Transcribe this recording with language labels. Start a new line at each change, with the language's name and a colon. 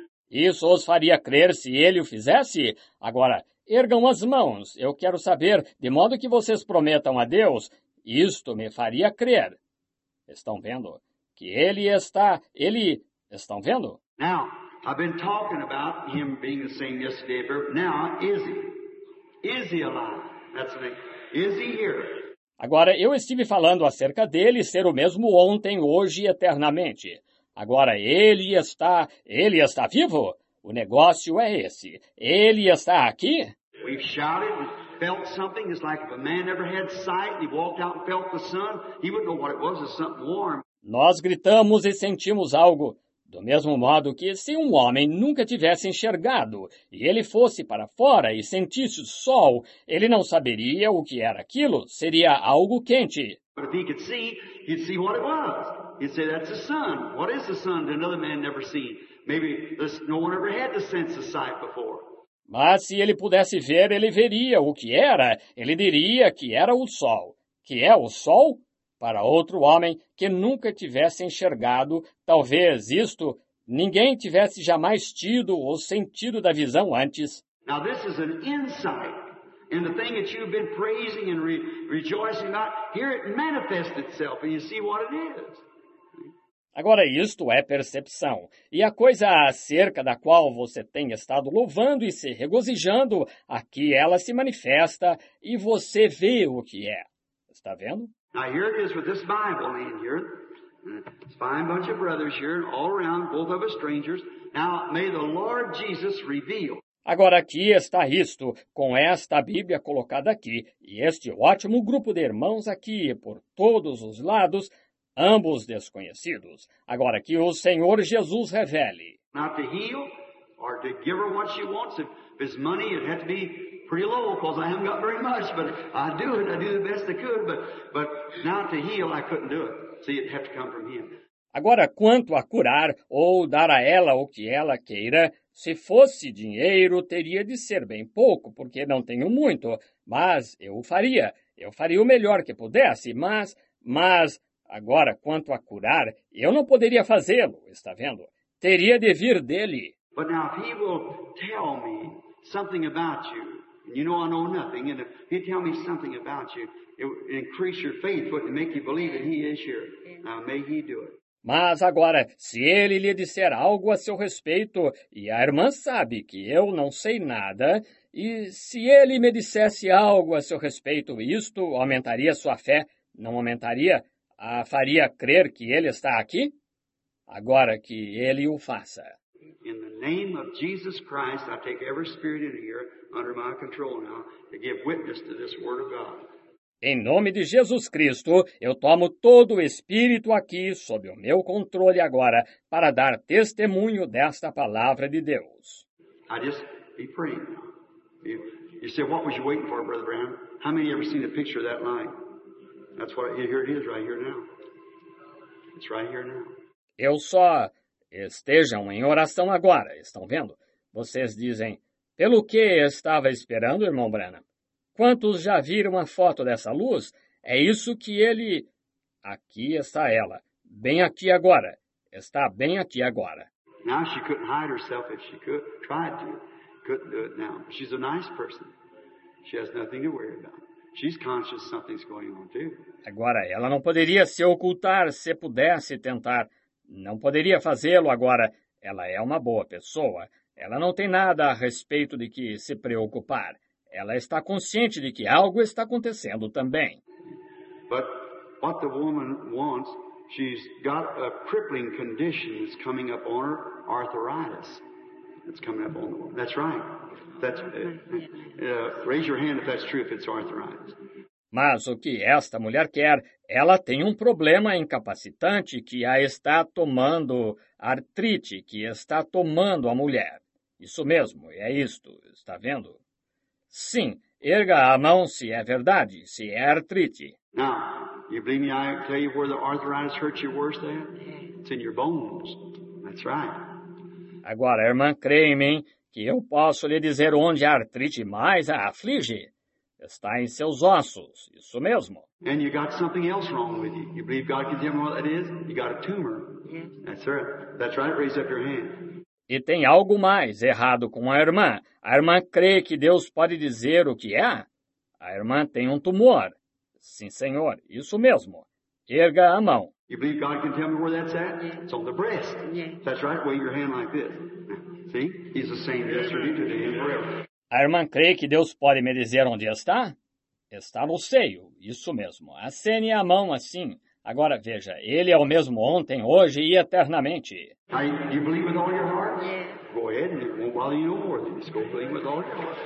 Portuguese: Isso os faria crer se ele o fizesse? Agora, ergam as mãos. Eu quero saber, de modo que vocês prometam a Deus, isto me faria crer. Estão vendo? Que ele está, ele... Estão vendo?
English: Now, I've been talking about him being the same yesterday, but now, is he? Is he alive? That's the name. Is he here?
Portuguese: Agora, eu estive falando acerca dele ser o mesmo ontem, hoje e eternamente. Agora, ele está vivo? O negócio é esse. Ele está aqui?
English: We've shouted, we felt something. It's like if a man never had sight, he walked out and felt the sun, he wouldn't know what it was, it's something warm.
Portuguese: Nós gritamos e sentimos algo, do mesmo modo que se um homem nunca tivesse enxergado, e ele fosse para fora e sentisse o sol, ele não saberia o que era aquilo, seria algo quente.
English: But if he could see, he'd see what it was. He'd say, that's the sun. What is the sun that another man never seen? Maybe this, no one ever had the sense of sight before.
Portuguese: Mas se ele pudesse ver, ele veria o que era. Ele diria que era o sol. Que é o sol? Para outro homem que nunca tivesse enxergado, talvez isto, ninguém tivesse jamais tido o sentido da visão antes.
English: Now this is an insight. And the thing that you've been praising and rejoicing about, here it manifests itself, and you see what it is.
Portuguese: Agora, isto é percepção. E a coisa acerca da qual você tem estado louvando e se regozijando, aqui ela se manifesta e você vê o que é. Está vendo?
English: Now, here it is with this Bible in here. It's a fine bunch of brothers here, all around, both of us strangers. Now, may the Lord Jesus reveal.
Portuguese: Agora aqui está isto, com esta Bíblia colocada aqui, e este ótimo grupo de irmãos aqui, por todos os lados, ambos desconhecidos. Agora que o Senhor Jesus revele.
English: Not to heal, or to give her what she wants. If it's money, it had to be pretty low, because I haven't got very much, but I do it, I do the best I could, but not to heal, I couldn't do it. See, it had to come from him.
Portuguese: Agora, quanto a curar ou dar a ela o que ela queira, Se fosse dinheiro, teria de ser bem pouco, porque não tenho muito, mas eu o faria. Eu faria o melhor que pudesse, mas, agora, quanto a curar, eu não poderia fazê-lo, está vendo? Teria de vir dele.
English: But now, if he will tell me something about you, and you know I know nothing, and if he tell me something about you, it would increase your faith, would make you believe that he is here. Now, may he do it.
Portuguese: Mas agora, se ele lhe disser algo a seu respeito, e a irmã sabe que eu não sei nada, e se ele me dissesse algo a seu respeito, isto aumentaria sua fé, não aumentaria? A faria crer que ele está aqui? Agora que ele o faça.
English: In the name of Jesus Christ, I take every spirit in here under my control now to give witness to this word of God.
Portuguese: Em nome de Jesus Cristo, eu tomo todo o Espírito aqui sob o meu controle agora para dar testemunho desta palavra de Deus.
English: I just be praying now. You say, what was you waiting for, Brother Brown? How many ever seen a picture of that light? That's what here it is right here now. It's right here now.
Portuguese: Eu só estejam em oração agora, estão vendo? Vocês dizem, pelo que estava esperando, irmão Brana? Quantos já viram a foto dessa luz? É isso que ele... Aqui está ela. Bem aqui agora. Está bem aqui agora.
English: Now she couldn't hide herself if she could. Tried to. Couldn't do it now. She's a nice person. She has nothing to worry about. She's conscious something's going on too.
Portuguese: Agora, ela não poderia se ocultar se pudesse tentar. Não poderia fazê-lo agora. Ela é uma boa pessoa. Ela não tem nada a respeito de que se preocupar. Ela está consciente de que algo está acontecendo também.
English: But what the woman wants, she's got a crippling condition that's coming up on her, arthritis. It's coming up on the woman. That's right. That's, raise your hand if that's true, if it's arthritis.
Portuguese: Mas o que esta mulher quer, ela tem um problema incapacitante que a está tomando, artrite que está tomando a mulher. Isso mesmo, é isto, está vendo? Sim, erga a mão se é verdade, se é artrite.
English: Now, you believe me, I tell you where the arthritis hurts you worse than? It's in your bones. That's right.
Portuguese: Agora, irmã, crê em mim que eu posso lhe dizer onde a artrite mais a aflige. Está em seus ossos, isso mesmo.
English: And you got something else wrong with you. You believe God can tell me what that is? You got a tumor. Yes. That's right. That's right. Raise up your hand.
Portuguese: E tem algo mais errado com a irmã. A irmã crê que Deus pode dizer o que é? A irmã tem um tumor. Sim, senhor. Isso mesmo. Erga a mão.
English: You believe God can tell me where that's at? It's on the breast. Yes. That's right. Wave your hand like this. See? He's the same yesterday, today and forever.
Portuguese: A irmã crê que Deus pode me dizer onde está? Está no seio. Isso mesmo. Acene a mão assim. Agora, veja, ele é o mesmo ontem, hoje e eternamente.
English: You believe with all your heart? Yes. Go ahead and it won't bother you no more. Just go believe with all your heart.